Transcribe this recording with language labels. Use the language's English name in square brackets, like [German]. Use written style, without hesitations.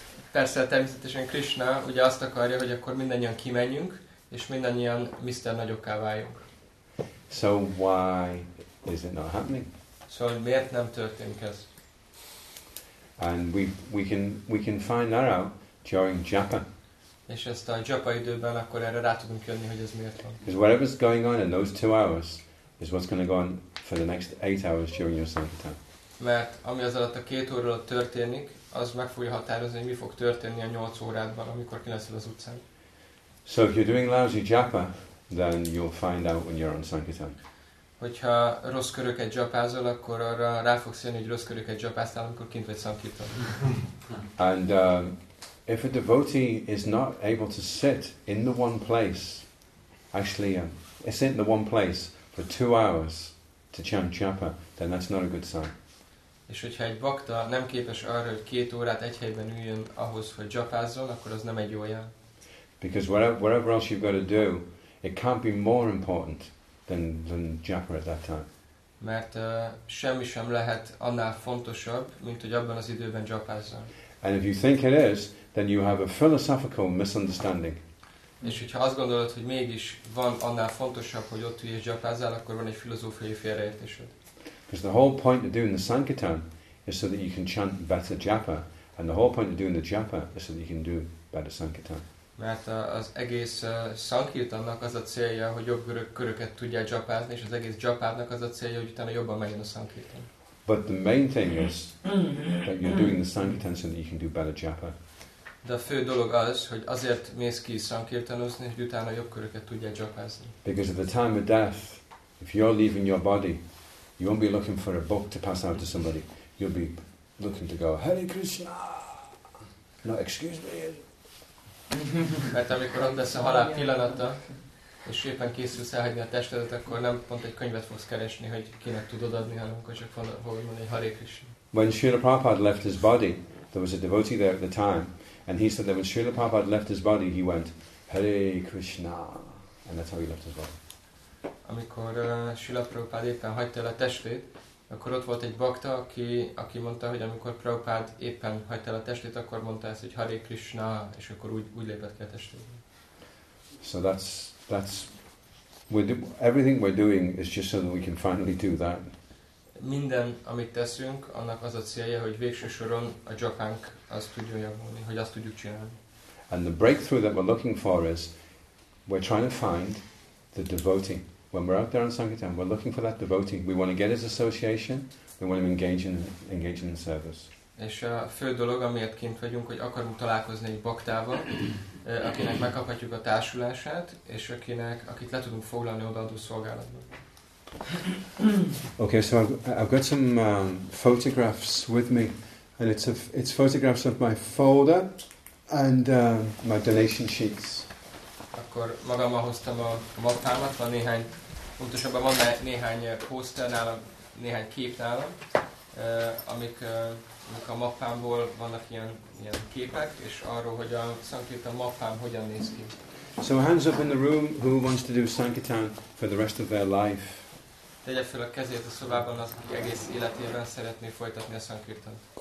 [Hungarian] Persze természetesen Krishna ugye azt akarja, hogy akkor mindannyian kimenjünk, és mindannyian Mr. Nagyokká váljunk. [English] So why is it not happening? [Hungarian] Szóval miért nem történik ez? [English] And we can find that out during japa. [Hungarian] És ezt a japa időben akkor erre rá tudunk jönni, hogy ez miért van. [English] Because whatever's going on in those 2 hours is what's going to go on for the next 8 hours during your sankirtan. [Hungarian] Mert ami az alatt a 2 óra alatt történik, az meg fogja határozni, hogy mi fog történni a 8 órádban, amikor kileszel az utcán. [English] So if you're doing lousy japa, then you'll find out when you're on sankirtan. [Hungarian] Hogyha rossz köröket japázol, akkor arra rá fogsz jönni, hogy rossz köröket japáztál, amikor kint vagy sankirtan. [English] And if a devotee is not able to sit in the one place, actually, sit in the one place for 2 hours to chant japa, then that's not a good sign. [Hungarian] És hogyha egy bakta nem képes arra, hogy 2 órát egy helyben üljön ahhoz, hogy japázzon, akkor az nem egy jó jel. [English] Because whatever else you've got to do, it can't be more important than japa at that time. [Hungarian] Mert semmi sem lehet annál fontosabb, mint hogy abban az időben japázzon. [English] And if you think it is, then you have a philosophical misunderstanding. [Hungarian] És hogyha azt gondolod, hogy mégis van annál fontosabb, hogy ott üljél japázzál, akkor van egy filozófiai félreértésed. [English] Because the whole point of doing the sankirtan is so that you can chant better japa, and the whole point of doing the japa is so that you can do better sankirtan. [Hungarian] Mert az egész sankirtannak az a célja, hogy jobb köröket tudjál japázni, és az egész japának az a célja, hogy utána jobban menjen a sankirtan. [English] But the main thing is that you're doing the sankirtan so that you can do better japa. [Hungarian] De a fő dolog az, hogy azért mész ki sankirtanozni, hogy utána jobb köröket tudjál japázni. [English] Because at the time of death, if you're leaving your body, you won't be looking for a book to pass out to somebody. You'll be looking to go, Hare Krishna! No, excuse me. [Hungarian] Mert amikor ott lesz a halál pillanata, és éppen készülsz elhagyni a testedet, akkor nem pont egy könyvet fogsz keresni, hogy kinek tudod adni, hanem akkor csak fogod mondani, Hare Krishna. [English] When Srila Prabhupada left his body, there was a devotee there at the time, and he said that when Srila Prabhupada left his body, he went, Hare Krishna! And that's how he left his body. [Hungarian] Amikor Srila Prabhupád éppen hagyta el a testét, akkor ott volt egy bakta, aki mondta, hogy amikor Prabhupád éppen hagyta el a testét, akkor mondta ezt, hogy Hare Krishna, és akkor úgy lépett ki a testébe. [English] So that's everything we're doing is just so that we can finally do that. [Hungarian] Minden, amit teszünk, annak az a célja, hogy végső soron a japánk azt tudjon javulni, hogy azt tudjuk csinálni. [English] And the breakthrough that we're looking for is, we're trying to find the devotee. When we're out there on sankirtan, we're looking for that devotee. We want to get his association. We want to engage in the service. [Hungarian] És a fő dolog, amiért kint vagyunk, hogy akarunk találkozni egy baktával, akinek megkaphatjuk a társulását, és akit le tudunk foglalni odaadó szolgálatba. [English] Okay, so I've got some photographs with me, and it's photographs of my folder and my donation sheets. [Hungarian] Akkor magammal hoztam a mappámat, van néhány, pontosabban van néhány poster nálam, néhány kép nálam, amik a mappámból vannak ilyen képek, és arról, hogy a sankirtan mappám hogyan néz ki. [English] So hands up in the room, who wants to do sankirtan for the rest of their life? [Hungarian] tegye fel a kezét a szobában, az, aki egész életében szeretné folytatni a szankirtant.